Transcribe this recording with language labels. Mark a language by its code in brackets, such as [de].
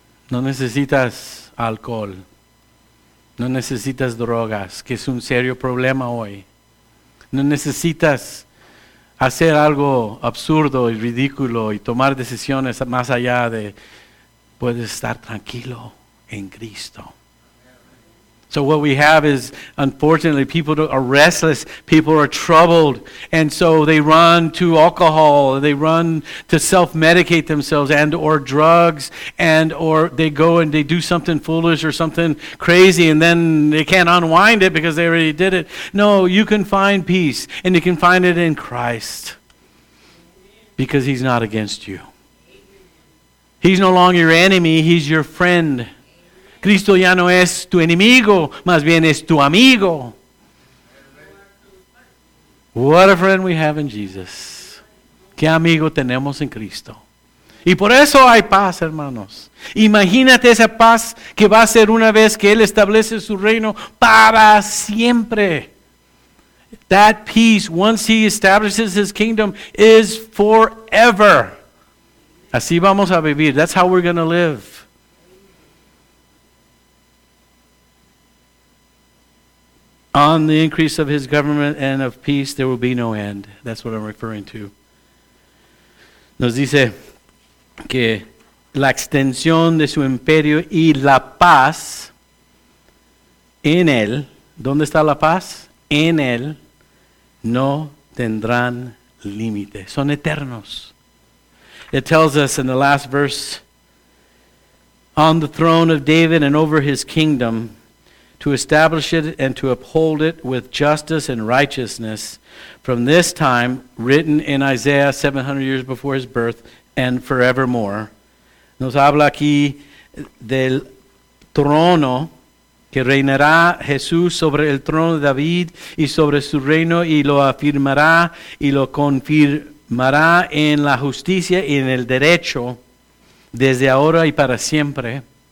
[es] No necesitas alcohol, no necesitas drogas, que es un serio problema hoy. No necesitas hacer algo absurdo y ridículo y tomar decisiones más allá de, puedes estar tranquilo en Cristo. [en] So what we have is, unfortunately, people are restless, people are troubled, and so they run to alcohol, they run to self-medicate themselves, and or drugs, and or they go and they do something foolish or something crazy, and then they can't unwind it because they already did it. No, you can find peace, and you can find it in Christ, because he's not against you. He's no longer your enemy, he's your friend. [es] Cristo ya no es tu enemigo, más bien es tu amigo. [en] What a friend we have in Jesus. [es] Qué amigo tenemos en Cristo. Y por eso hay paz, hermanos. Imagínate esa paz que va a ser una vez que Él establece su reino para siempre. [en] That peace, once He establishes His kingdom, is forever. [es] Así vamos a vivir. [en] That's how we're going to live. On the increase of his government and of peace, there will be no end. That's what I'm referring to. [es] Nos dice que la extensión de su imperio y la paz en él, ¿dónde está la paz? En él, no tendrán límite. Son eternos. [en] It tells us in the last verse, on the throne of David and over his kingdom, to establish it and to uphold it with justice and righteousness from this time, written in Isaiah 700 years before his birth and forevermore. [es] Nos habla aquí del trono que reinará Jesús sobre el trono de David y sobre su reino y lo afirmará y lo confirmará en la justicia y en el derecho desde ahora y para siempre.